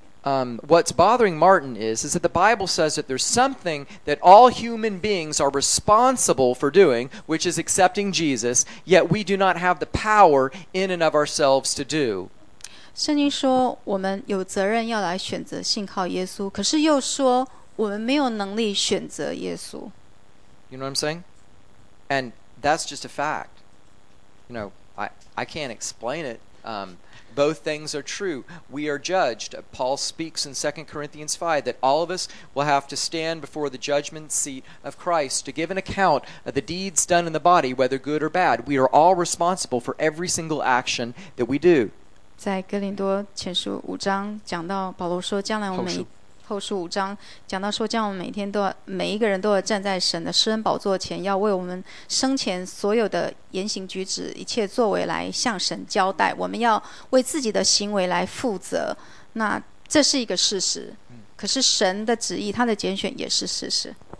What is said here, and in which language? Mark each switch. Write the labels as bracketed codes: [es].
[en] What's bothering Martin is that the Bible says that there's something that all human beings are responsible for doing, which is accepting Jesus, yet we do not have the power in and of ourselves to do. [zh] 圣经说我们有责任要来选择信靠耶稣，可是又说我们没有能力选择耶稣。 [en] You know what I'm saying? And that's just a fact. You know, I can't explain it. Both things are true. We are judged. Paul speaks in 2 Corinthians 5 that all of us will have to stand before the judgment seat of Christ to give an account of the deeds done in the body, whether good or bad. We are all responsible for every single action that we do. [zh] 在哥林多前书五章讲到，保罗说将来我们每后书五章讲到说，将来我们每天都要每一个人都要站在神的施恩宝座前，要为我们生前所有的言行举止一切作为来向神交代，我们要为自己的行为来负责，那这是一个事实，可是神的旨意他的拣选也是事实。